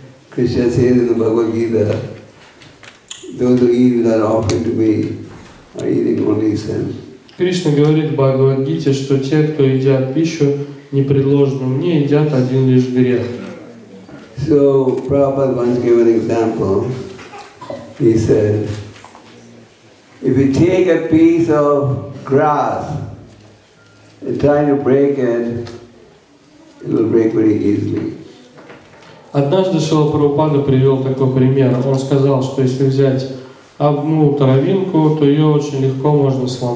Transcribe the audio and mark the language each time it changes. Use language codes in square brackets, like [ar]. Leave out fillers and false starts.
[ru] Кришна говорит в Бхагавад-гите, [en] those who eat without offering to me are eating only sin. [ru] Кришна говорит в Бхагавад-гите, что те, кто едят пищу, не предложенную мне, едят один лишь грех. [en] So Prabhupada once gave an example. He said, if you take a piece of grass and try to break it, it will break very easily. [ru] Однажды Шрила Прабхупада привел такой пример. Он сказал, что если взять одну травинку, то ее очень легко можно